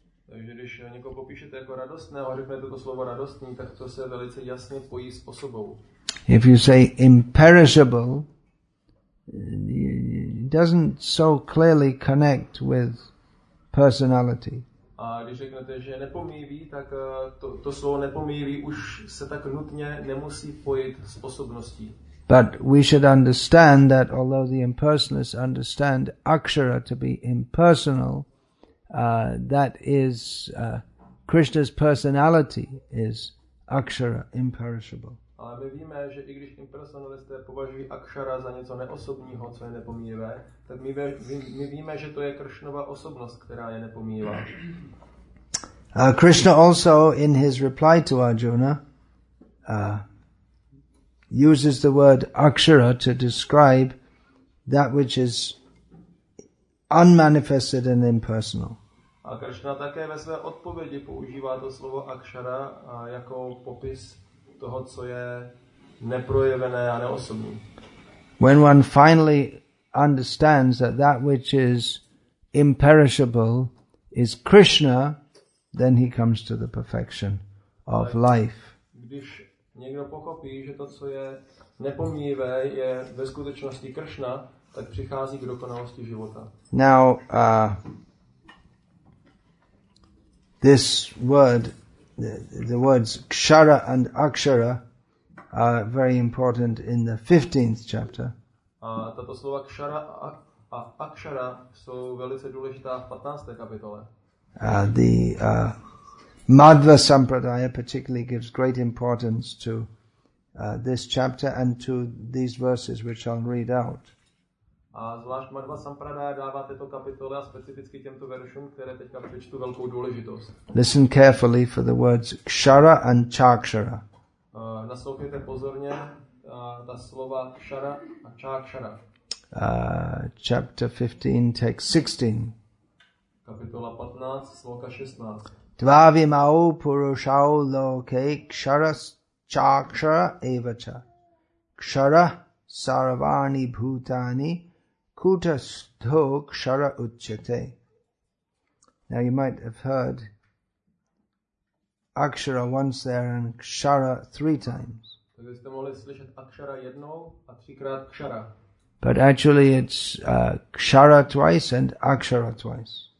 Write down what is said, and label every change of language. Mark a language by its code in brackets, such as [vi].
[cs] Takže když někoho popíšete jako radostného, řeknete to slovo radostný, tak to se velice jasně pojí s osobou. [en] If you say imperishable, it doesn't so clearly connect with personality. [cs] A když řeknete, že nepomíjí, tak to slovo nepomíjí už se tak nutně nemusí pojit s osobností. [en] But we should understand that although the impersonalists understand Akshara to be impersonal, that is Krishna's personality is akshara, imperishable. [cs] Ale my víme, že i když impersonalisté považují akshara za něco neosobního, co je nepomíjivé, tak my víme, že to je Krishnova osobnost, která je nepomíjivá. [en] Krishna also in his reply to Arjuna uses the word akshara to describe that which is unmanifested and impersonal. [cs] A Krishna také ve své odpovědi používá to slovo akshara jako popis toho, co je neprojevené a neosobní. [en] When one finally understands that that which is imperishable is Krishna, then he comes to the perfection of life. [cs] Když někdo pochopí, že to, co je nepomíjivé, je ve skutečnosti Krishna, tak přichází k dokonalosti života. [en] Now, this word, the words kshara and akshara are very important in the 15th chapter. [cs] A tato slova kshara a akshara jsou velice důležitá v 15. kapitole. [en] The Madhva Sampradaya particularly gives great importance to this chapter and to these verses which I'll read out. [cs] A zvlášť Madhva Sampradaya dává této kapitole a specificky těmto veršům, které teďka přečtu, velkou důležitost. [en] Listen carefully for the words kshara and chakshara. [cs] Naslouchejte pozorně ta slova kshara a chakshara. [en] Chapter 15, text 16. [cs] Kapitola 15, sloka 16. [sa] Dvavimau purushau loke ksharas chakshara evacha. Kshara sarvani bhutani kutastho kshara uchyate. [en] Now you might have heard akshara once there and kshara three times. [cs] Takže jste mohli slyšet akshara jednou a třikrát kshara. [en] But actually it's kshara twice and akshara twice.